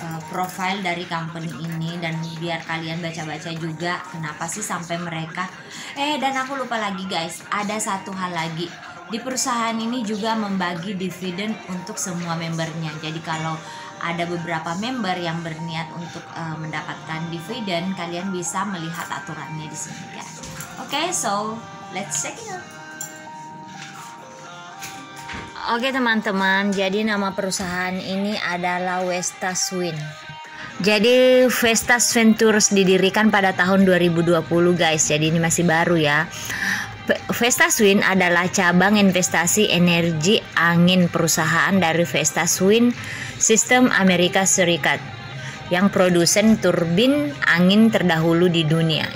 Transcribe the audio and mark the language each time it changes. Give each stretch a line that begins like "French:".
Indonesian: profile dari company ini, dan biar kalian baca-baca juga kenapa sih sampai mereka. Dan aku lupa lagi guys, ada satu hal lagi. Di perusahaan ini juga membagi dividen untuk semua membernya. Jadi kalau ada beberapa member yang berniat untuk mendapatkan dividen, kalian bisa melihat aturannya di sini guys.
English: Okay, so let's check it out.
Indonesian: Okay, teman-teman, jadi nama perusahaan ini adalah Vestas Wind. Jadi Vestas Ventures didirikan pada tahun 2020 guys, jadi ini masih baru ya. Vestas Wind adalah cabang investasi energi angin perusahaan dari Vestas Wind System Amerika Serikat yang produsen turbin angin terdahulu di dunia.